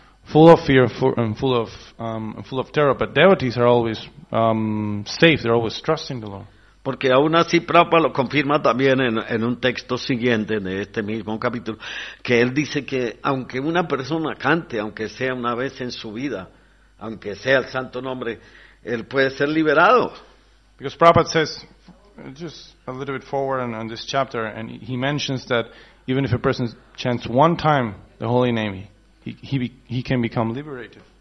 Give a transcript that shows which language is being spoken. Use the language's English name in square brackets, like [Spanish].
[English] Full of fear and full of terror. But devotees are always safe. They're always trusting the Lord. [Spanish] Porque aún así Prabhupada lo confirma también en un texto siguiente de este mismo capítulo, que él dice que aunque una persona cante, aunque sea una vez en su vida, aunque sea el santo nombre, él puede ser liberado. [English] Because Prabhupada says, just a little bit forward on this chapter, and he mentions that even if a person chants one time the holy name, he can become liberated.